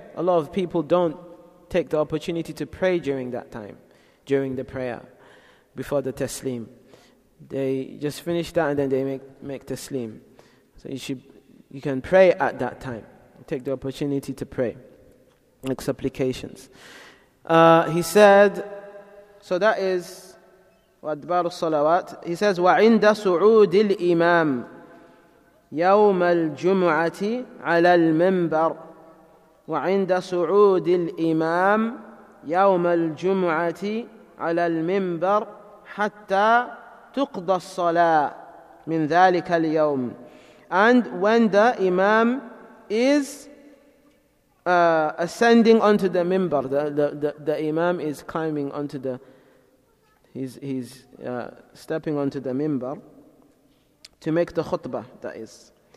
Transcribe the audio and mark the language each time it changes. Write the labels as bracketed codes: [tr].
[en] A lot of people don't take the opportunity to pray during that time, during the prayer, before the taslim. They just finish that and then they make taslim. So you should you can pray at that time. Take the opportunity to pray. Make supplications. He said, so that is [ar] وأدبار الصلوات. [en] He says, [ar] وعند صعود الإمام يوم الجمعة على المنبر وعند صعود الإمام يوم الجمعة على المنبر حتى تقضى الصلاة من ذلك اليوم. [en] And when the Imam is ascending onto the minbar, the Imam is climbing onto the, he's stepping onto the minbar to make the khutbah, that is.